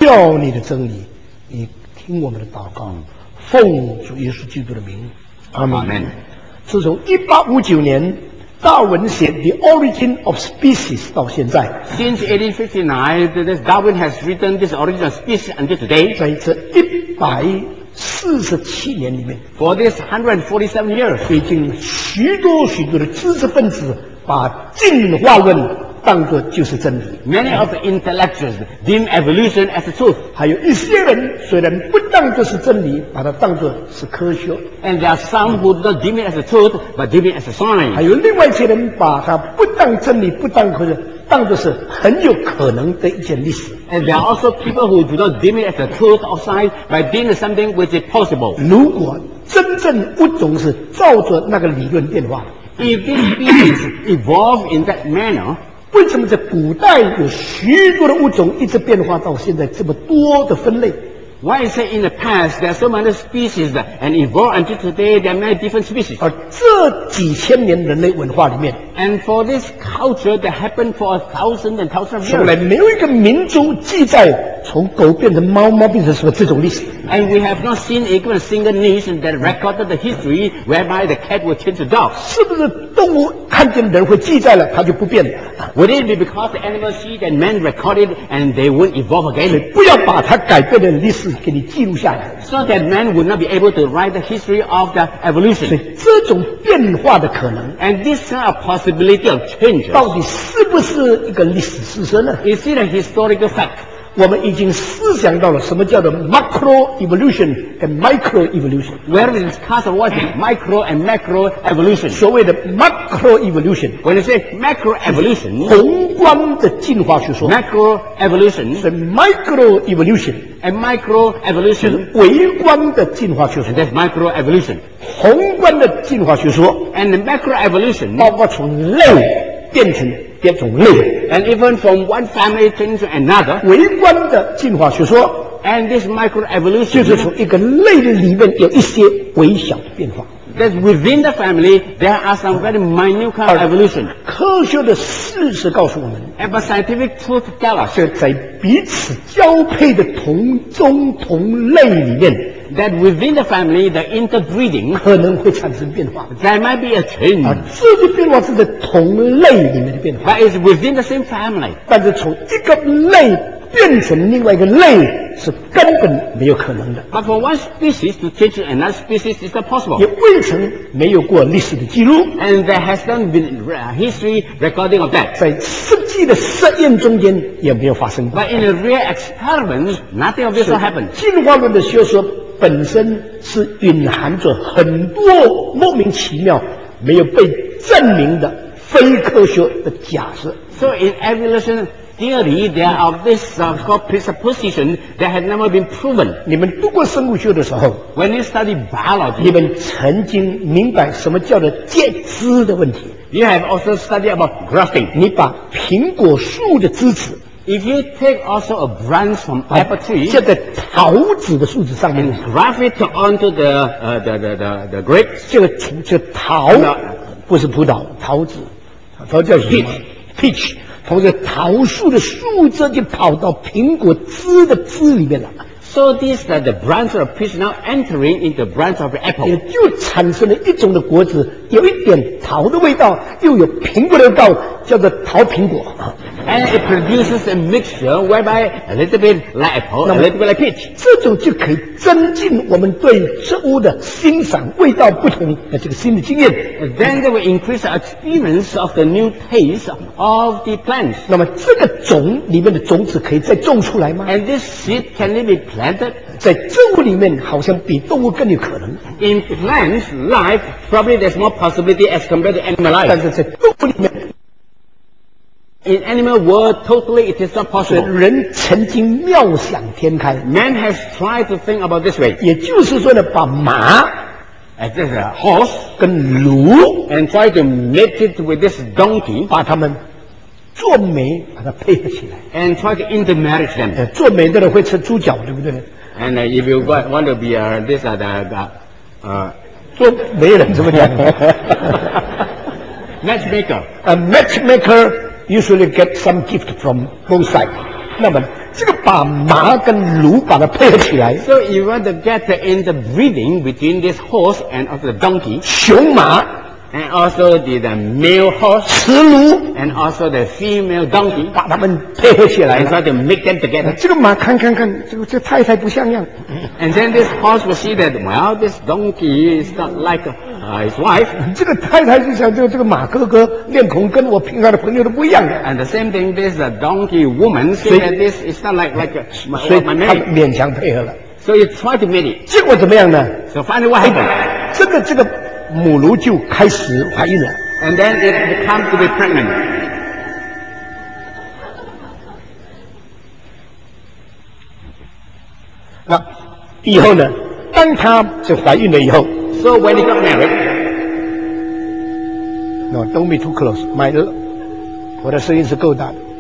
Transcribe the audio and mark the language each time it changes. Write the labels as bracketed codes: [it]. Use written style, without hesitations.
[zh] 道你的真理，你听我们的祷告，奉主耶稣基督的名，阿门。自从1859年达尔文写 The Origin of Species 到现在， [en] Since 1859 Darwin has written this Origin of Species until today， [zh] 在这147年里面， [en] For this 147 years， [zh] 已经许多许多的知识分子把进化论当作就是真理， [en] Many of the intellectuals deem evolution as the truth， [zh] 还有一些人虽然不当作是真理，把它当作是科学， [en] And there are some who do not deem it as the truth but deem it as a science， [zh] 还有另外一些人把它不当真理不当科学，当作是很有可能的一件历史， [en] And there are also people who do not deem it as the truth of science but deem it something which is possible。 [zh] 如果真正物种是照着那个理论变化， [en] If this species evolve in that manner， [zh] 为什么在古代有许多的物种一直变化到现在这么多的分类？ [en] Why is it in the past there are so many species and evolved until today there are many different species？ [zh] 而这几千年人类文化里面， [en] And for this culture that happened for a thousand and thousand years， [zh] 从来没有一个民族记载从狗变成猫，猫变成什么这种历史。 [en] And we have not seen even a single nation that recorded the history whereby the cat will change to dog。 [zh] 是不是动物看见人会记载了它就不变了？ [en] Would it be because the animal see that man recorded and they won't evolve again？ [zh] 不要把它改变的历史给你记录下来。 [en] So that man would not be able to write the history of the evolution。 [zh] 所以这种变化的可能， [en] And this kind of possibility of change， [zh] 到底是不是一个历史事实呢？ [en] Is it a historical fact？ [zh] 我们已经思想到了什么叫做 [en] macro evolution and micro evolution。 Where we discuss what is micro and macro evolution。 [zh] 所谓的 macro evolution， [en] when you say macro evolution， [zh] 宏观的进化学说。 [en] Macro evolution，是 micro evolution and micro evolution， [zh] 微观的进化学说。 [en] And that's micro evolution， [zh] 宏观的进化学说。 [en] And the macro evolution， [zh] 包括从类变成变种类。 [en] And even from one family thing to another， [zh] 微观的进化学说， [en] And this microevolution， [zh] 就是从一个类的里面有一些微小的变化， [en] That within the family there are some very minute kind of evolution。 [zh] 科学的事实告诉我们， [en] And but scientific truth tell us， [zh] 是在彼此交配的同宗同类里面， [en] That within the family the interbreeding [zh] 可能会产生变化， [en] There might be a change。 [zh] 而这个变化是在同类里面的变化， [en] But it's within the same family。 [zh] 但是从一个类变成另外一个类是根本没有可能的。 [en] But for one species to change another species is not possible。 [zh] 也未曾没有过历史的记录。 [en] And there has not been history recording of that。 [zh] 在实际的实验中间也没有发生过。 [en] But in a real experiment nothing of this will happen。 [zh] 进化论的学说本身是蕴含着很多莫名其妙没有被证明的非科学的假设。 [en] So in evolution theory there are this called presupposition that has never been proven。 [zh] 你们读过生物学的时候， [en] When you study biology， [zh] 你们曾经明白什么叫做介枝的问题。 [en] You have also studied about grafting。 [zh] 你把苹果树的枝子， [en] If you take also a branch from apple tree， [zh] 接在桃子的树枝上面， [en] graft it onto the grape， [zh] 就桃， [en] no， [zh] 不是葡萄，桃子，桃叫什么 [en] ？peach， [zh] 从这桃树的树枝就跑到苹果枝的枝里面了。 [en] So this that the branch of peach now entering into the branch of apple， [zh] 也就产生了一种的果子，有一点桃的味道，又有苹果的味道，叫做桃苹果。 [en] And it produces a mixture whereby a little bit like apple, a little bit like peach。 [zh] 这种就可以增进我们对植物的欣赏，味道不同的这个新的经验。 [en] Then they will increase the experience of the new taste of the plants。 [zh] 那么这个种里面的种子可以再种出来吗？ [en] And this seed can it be planted？ [zh] 在植物里面好像比动物更有可能。 [en] In plants life probably there's more possibility as compared to animal life。 [zh] 但是在动物里面， [en] In animal world, totally it is not possible。 [zh] 人曾经妙想天开， [en] Man has tried to think about this way。 [zh] 也就是说呢，把马 [en] And this a horse [zh] 跟驴 [en] And try to mate it with this donkey， [zh] 把它们做媒，把它配合起来。 [en] And try to intermarriage them。 [zh] 做媒的人会吃猪脚，对不对？ [en] And if you want to be this or that， [zh] 做媒人怎么讲？ [en] Matchmaker。 A matchmaker usually get some gift from both sides。 [zh] 那么这个把马跟驴把它配合起来。 [en] So you want to get in the breeding between this horse and of the donkey. [zh] 雄马。 [en] And also the male horse. [zh] 雌驴。 [en] And also the female donkey. [zh] 把它们配合起来。 [en] And so they make them together. [zh] 这个马看这太太不像样。 [en] And then this horse will see that, well, this donkey is not like his wife. [zh] 这个太太就像这个马哥哥面孔跟我平常的朋友都不一样的。 [en] And the same thing, this donkey woman see that this is not like my wife. [zh] 所以他勉强配合了。 [en] So you try to meet it. [zh] 结果怎么样呢？ [en] So finally what happened? [zh] 这个母驴就开始怀孕了。 [en] And then it becomes to be pregnant. [zh] 那以后呢？当她就怀孕了以后。 [en] So when he got married. No, don't be too close. [zh] 我的声音是够大的。